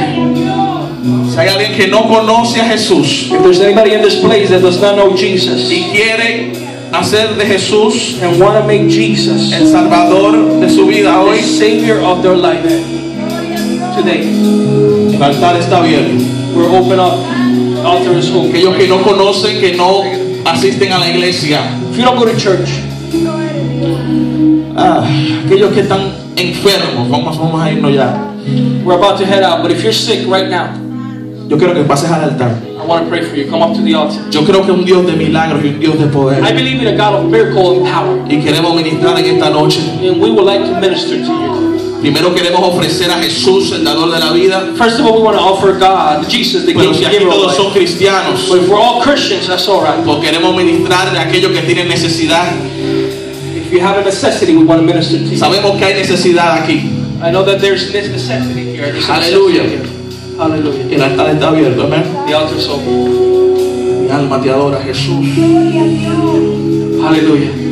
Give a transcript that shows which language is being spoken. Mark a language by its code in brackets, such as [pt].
[es] Si hay alguien que no conoce a Jesús, [en] if there's anybody in this place that does not know Jesus, [es] y quiere hacer de Jesús, [en] and want to make Jesus, [es] el Salvador de su vida hoy, [en] the Savior of their life today. [es] El altar está abierto. [en] We're open up. The altar is open. [es] Aquellos que no conocen, que no asisten a la iglesia. [en] If you don't go to church. [es] Aquellos que están enfermos, vamos a irnos ya. [en] We're about to head out, but if you're sick right now, [es] yo quiero que pases al altar. [en] I want to pray for you. Come up to the altar. [es] Yo creo que un Dios de milagros y un Dios de poder. [en] I believe in a God of miracle and power. [es] Y queremos ministrar en esta noche. [en] And we would like to minister to you. [es] Primero queremos ofrecer a Jesús, el dador de la vida. [en] First of all, we want to offer God, Jesus, the [es] Pero [en] giver [es] si [en] of [es] todos [en] life. [es] Son cristianos. [en] But if we're all Christians, that's all right. [es] Porque queremos ministrar a aquellos que tienen necesidad. [en] If you have a necessity, we want to minister to you. [es] Sabemos que hay necesidad aquí. [en] I know that there's this necessity here. [es] Aleluya. [en] Hallelujah. [es] El altar está abierto, amén. [en] The altar is open. [es] Mi alma te adora, Jesús. Aleluya.